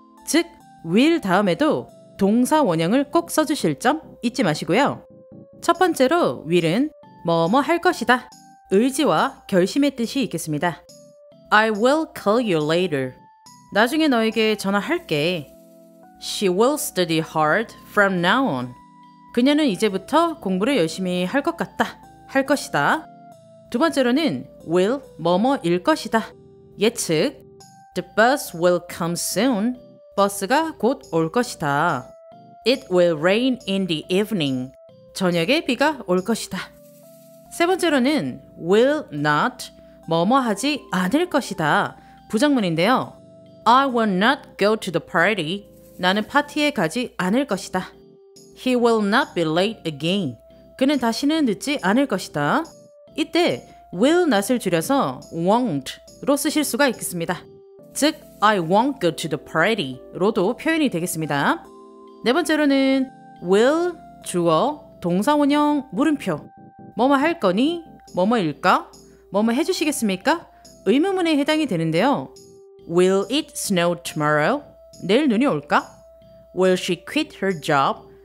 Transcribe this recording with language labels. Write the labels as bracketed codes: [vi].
[ko] 즉, will 다음에도 동사 원형을 꼭 써주실 점 잊지 마시고요. 첫 번째로 will은 뭐뭐 할 것이다, 의지와 결심의 뜻이 있겠습니다. [en] I will call you later. [ko] 나중에 너에게 전화할게. [en] She will study hard from now on. [ko] 그녀는 이제부터 공부를 열심히 할 것 같다, 할 것이다. 두 번째로는 will 뭐뭐일 것이다, 예측. [en] The bus will come soon. [ko] 버스가 곧 올 것이다. [en] It will rain in the evening. [ko] 저녁에 비가 올 것이다. 세 번째로는 will not 뭐뭐하지 않을 것이다, 부정문인데요. [en] I will not go to the party. [ko] 나는 파티에 가지 않을 것이다. [en] He will not be late again. [ko] 그는 다시는 늦지 않을 것이다. 이때 will not을 줄여서 won't로 쓰실 수가 있겠습니다. 즉, [en] I won't go to the party로도 [ko] 표현이 되겠습니다. 네 번째로는 will 주어 동사원형 물음표. 뭐뭐 할 거니? 뭐뭐일까? 뭐뭐 해주시겠습니까? 의문문에 해당이 되는데요. [en] Will it snow tomorrow? [ko] 내일 눈이 올까? [en] Will she quit her job?